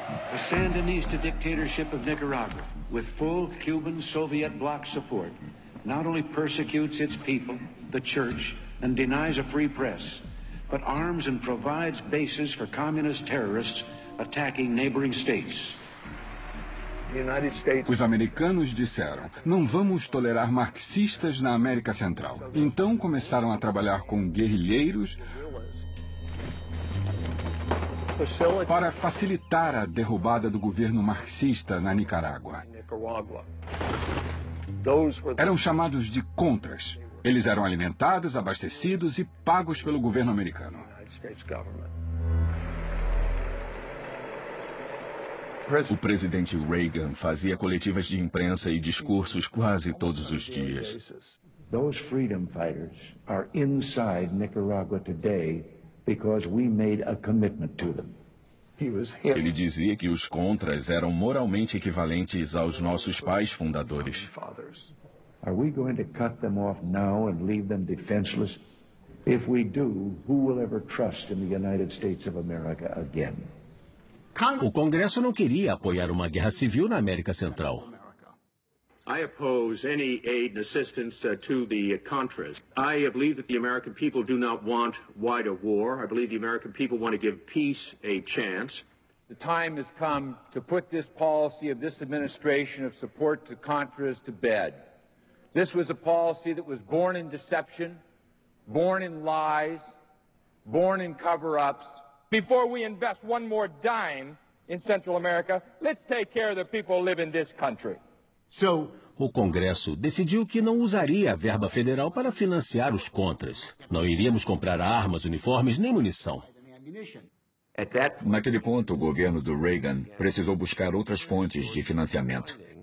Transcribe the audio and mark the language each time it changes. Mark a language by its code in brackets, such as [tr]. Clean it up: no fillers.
[en] The Sandinista dictatorship of Nicaragua, with full Cuban Soviet bloc support, not only persecutes its people, the church, and denies a free press, but arms and provides bases for communist terrorists attacking neighboring states. [pt] Os americanos disseram, não vamos tolerar marxistas na América Central. Então começaram a trabalhar com guerrilheiros para facilitar a derrubada do governo marxista na Nicarágua. Eram chamados de contras. Eles eram alimentados, abastecidos e pagos pelo governo americano. O presidente Reagan fazia coletivas de imprensa e discursos quase todos os dias. [en] Those freedom fighters are inside Nicaragua today because we made a commitment to them. [pt] Ele dizia que os contras eram moralmente equivalentes aos nossos pais fundadores. [en] Are we going to cut them off now and leave them defenseless? If we do, who will ever trust in the United States of America again? [pt] O Congresso não queria apoiar uma guerra civil na América Central. [en] I oppose any aid and assistance to the Contras. I believe that the American people do not want wider war. I believe the American people want to give peace a chance. The time has come to put this policy of this administration of support to Contras to bed. This was a policy that was born in deception, born in lies, born in cover-ups. Before we invest one more dime in Central America, let's take care of the people who live in this country. [pt] So, o Congresso decidiu que não usaria a verba federal para financiar os contras. Não iríamos comprar armas, uniformes nem munição. Naquele ponto, o governo do Reagan precisou buscar outras fontes de financiamento.